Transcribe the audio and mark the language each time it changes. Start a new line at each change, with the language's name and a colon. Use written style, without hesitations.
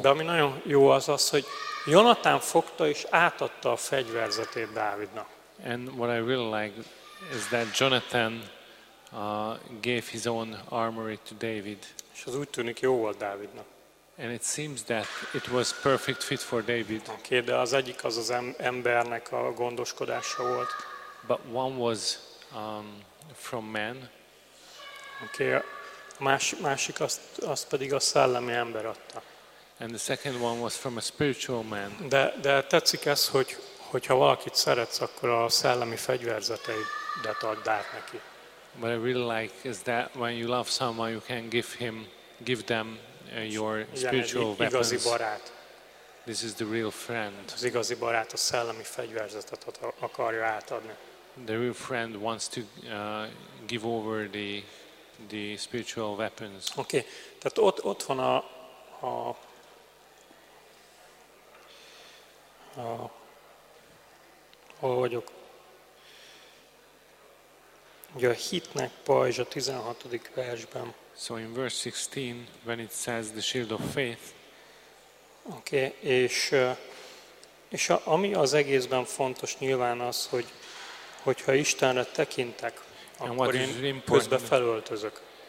Hungarian: De ami nagyon jó az az, hogy Jonathan fogta és átadta a fegyverzetét Dávidnak.
English: And what I really like is that Jonathan gave his own armory to David.
Hungarian: És az úgy tűnik jó volt Dávidnak.
English: And it seems that it was perfect fit for David.
Hungarian: Okay, de az egyik az az embernek a gondoskodása volt.
English: But one was from man.
Hungarian: Okay, másik azt pedig a szellemi ember adta.
English: And the second one was from a spiritual man.
Hungarian: De tetszik ez, hogyha valakit szeretsz, akkor a szellemi fegyverzeteidet add át neki.
English: What I really like is that when you love someone, you can give them your spiritual weapons.
Hungarian: Igazi barát.
English: This is the real friend.
Hungarian: Az igazi barát a szellemi fegyverzetet akarja átadni.
English: The real friend wants to give over the spiritual weapons.
Hungarian: Okay, tehát ott van a hol vagyok? Ugye a hitnek pajzs a 16. versben.
English: So in verse 16, when it says the shield of faith.
Hungarian: Okay, és ami az egészben fontos nyilván az, hogyha Istenre tekintek, akkor én közben felöltözök.